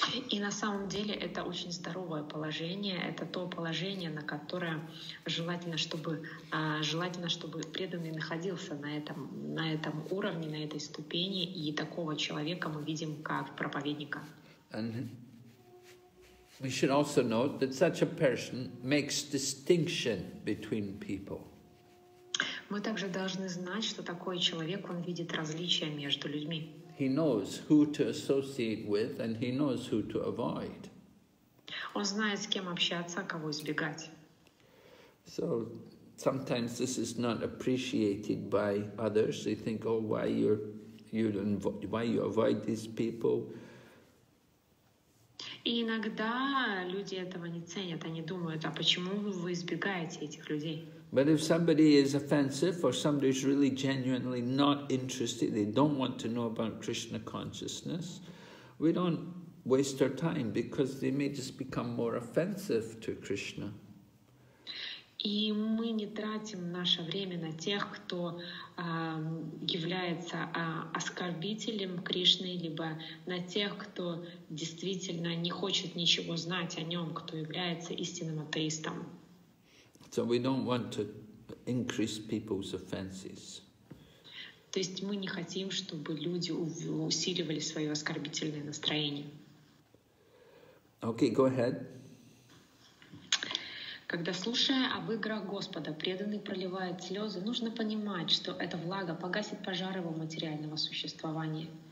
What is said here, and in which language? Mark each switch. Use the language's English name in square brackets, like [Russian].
[Russian] И на самом деле это очень здоровое положение, это то положение, на которое желательно, чтобы преданный находился на этом уровне, на этой ступени, и такого человека мы видим как проповедника. [English] And we should also note that such a person makes distinction between people. [Russian] Мы также должны знать, что такой человек, он видит различия между людьми. [English] He knows who to associate with and he knows who to avoid. [Russian] Он знает, с кем общаться, кого избегать. [English] So sometimes this is not appreciated by others. They think, oh, why you avoid these people? [Russian] И иногда люди этого не ценят, они думают, а почему вы избегаете этих людей? [English] But if somebody is offensive or somebody is really genuinely not interested, they don't want to know about Krishna consciousness, we don't waste our time because they may just become more offensive to Krishna. [Russian] И мы не тратим наше время на тех, кто является оскорбителем Кришны, либо на тех, кто действительно не хочет ничего знать о нем, кто является истинным атеистом. [English] So we don't want to increase people's offenses. [Russian] То есть мы не хотим, чтобы люди усиливали свое оскорбительное настроение. [English] Okay, go ahead. [Russian] Когда слушая об играх Господа, преданный проливает слезы, нужно понимать, что эта влага погасит пожар его материального существования.